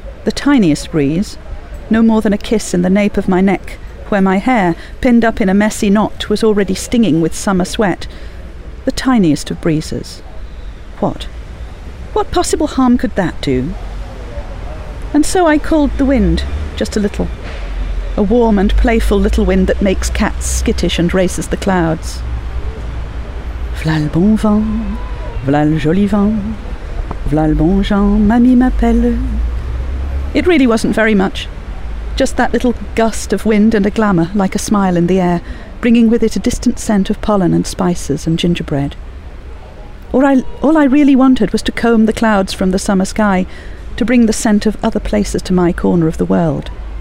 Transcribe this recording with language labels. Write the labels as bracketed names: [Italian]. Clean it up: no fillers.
[English] The tiniest breeze. No more than a kiss in the nape of my neck, where my hair, pinned up in a messy knot, was already stinging with summer sweat. The tiniest of breezes. What? What possible harm could that do? And so I called the wind. Just a little. A warm and playful little wind that makes cats skittish and races the clouds. [French] V'là le bon vent, v'là le joli vent, v'là le bon Jean, mamie m'appelle. [English] It really wasn't very much. Just that little gust of wind and a glamour, like a smile in the air, bringing with it a distant scent of pollen and spices and gingerbread. All I really wanted was to comb the clouds from the summer sky, to bring the scent of other places to my corner of the world.